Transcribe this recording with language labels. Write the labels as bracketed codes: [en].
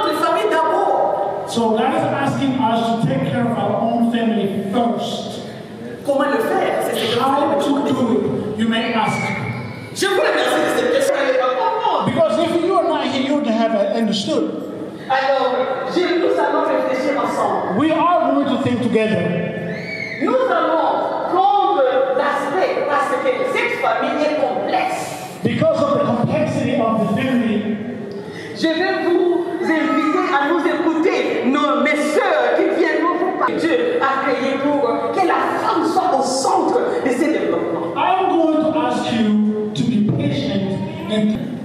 [en] asking us to take care of our own family first. [fr] Comment le faire? [en] How to do it, you may ask. [fr] Je vous remercie, c'est une question importante. [en] Because if you are not here, you would have understood. [fr] Alors, je nous allons réfléchir ensemble. [en] We are going to think together. [fr] Nous allons prendre l'aspect parce que cette famille est complexe. [en] Because of the complexity of the family. [fr] Je vais vous inviter à nous écouter, nos mes sœurs qui viennent nous parler. Dieu a créé pour que la femme soit au centre de ce développement. [en] I'm going to ask you to be patient and.